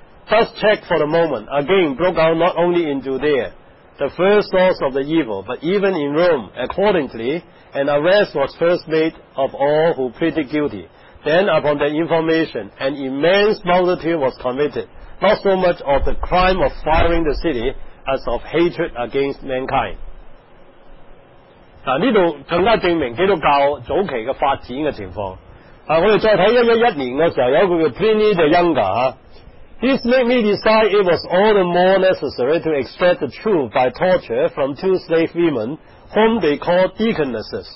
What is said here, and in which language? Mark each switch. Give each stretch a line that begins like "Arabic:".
English: Thus checked for the moment, again broke out not only in Judea, the first source of the evil, but even in Rome. Accordingly, an arrest was first made of all who pleaded guilty. Then, upon that information, an immense multitude was committed, not so much of the crime of firing the city, as of hatred against mankind.
Chinese: 这里更加证明基督教早期的发展的情况。我们再看1111年的时候，有一个叫 Pliny the Younger。
English: This made me decide it was all the more necessary to extract the truth by torture from two slave women whom they called deaconesses.